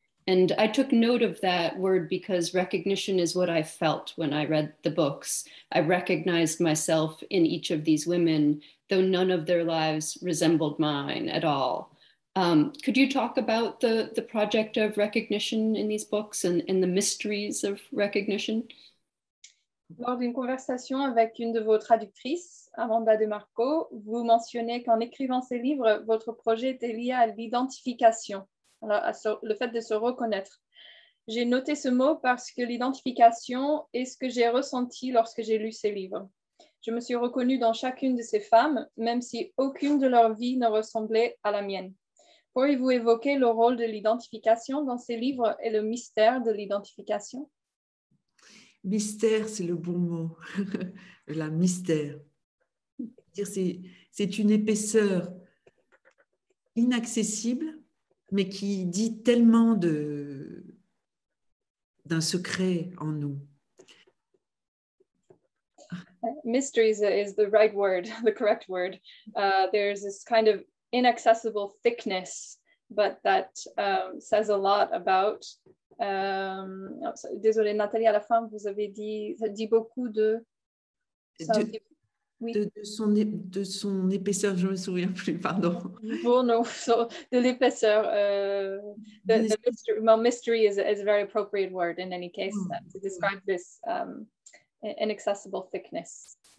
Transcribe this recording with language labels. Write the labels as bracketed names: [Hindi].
[English] And I took note of that word because recognition is what I felt when I read the books. I recognized myself in each of these women, though none of their lives resembled mine at all. Could you talk about the project of recognition in these books and the mysteries of recognition? [French] Lors d'une conversation avec une de vos traductrices, Amanda DeMarco, vous mentionnez qu'en écrivant ces livres, votre projet était lié à l'identification, le fait de se reconnaître. J'ai noté ce mot parce que l'identification est ce que j'ai ressenti lorsque j'ai lu ces livres. Je me suis reconnue dans chacune de ces femmes, même si aucune de leurs vies ne ressemblait à la mienne. Pourriez-vous évoquer le rôle de l'identification dans ces livres et le mystère de l'identification ? Mystère, c'est le bon mot. La mystère. C'est une épaisseur inaccessible, mais qui dit tellement d'un secret en nous. [English] Mystery is the right word, the correct word. There's this kind of inaccessible thickness, but that says a lot about. [French] Désolée, Nathalie, à la fin, vous avez dit, ça dit beaucoup de... De son épaisseur, je ne me souviens plus, pardon. Bon, non, [English] so, [French] de l'épaisseur. [English] Mystery is a very appropriate word in any case to describe this inaccessible thickness.